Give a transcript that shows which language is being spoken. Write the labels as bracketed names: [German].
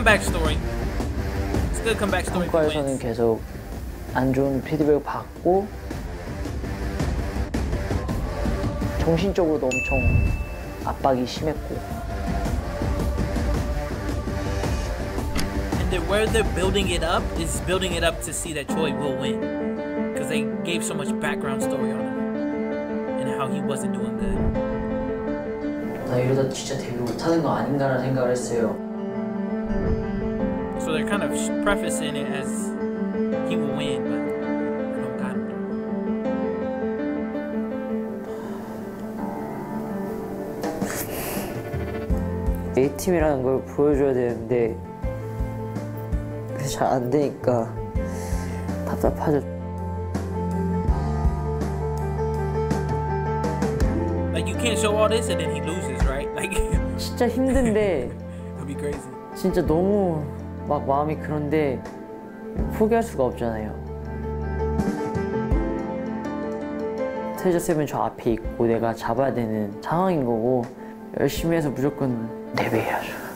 [Korean] 평가에서는 계속 안 좋은 피드백을 받고 정신적으로도 엄청 압박이 심했고 [English] And where they're building it up is building it up to see that Choi will win, because they gave so much background story on him and how he wasn't doing good. [Korean] 나 이러다 진짜 데뷔 못하는 거 아닌가라 생각을 했어요. [English] So they're kind of prefacing it as he will win, but I don't got it. [Korean] 이 팀이라는 걸 보여줘야 되는데 잘 안 되니까 답답하죠. [English] Like you can't show all this and then he loses, right? Like [Korean] 진짜 힘든데. [English] That'd be crazy. [Korean] 진짜 너무 막 마음이 그런데 포기할 수가 없잖아요. 테이저 쌤은 저 앞에 있고 내가 잡아야 되는 상황인 거고 열심히 해서 무조건 데뷔해야죠.